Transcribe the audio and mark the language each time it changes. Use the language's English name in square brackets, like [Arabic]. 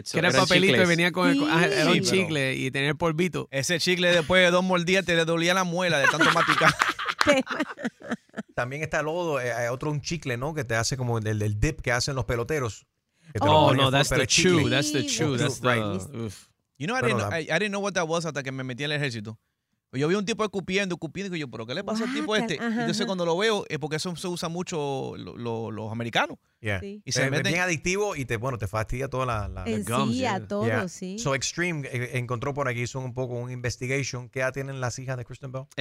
[Spanish] que era papelito y venía con era un chicle y tenía el polvito. Ese chicle después de dos mordidas te le dolía la muela de tanto maticar. También está lodo, otro un chicle, ¿no? Que te hace como el dip que hacen los peloteros. [English] That's the chew. You know, I didn't know what that was [Spanish] hasta que me metí al ejército. Yo vi a un tipo escupiendo, y yo, ¿pero qué le pasa al tipo este? Entonces, cuando lo veo, es porque eso se usa mucho los americanos. [English] Yeah. [Spanish] Sí. Y se meten. Es bien adictivo y te fastidia toda la gums. Sí, a todo, sí. So Extreme encontró por aquí, hizo un poco un investigation. ¿Qué edad tienen las hijas de Kristen Bell?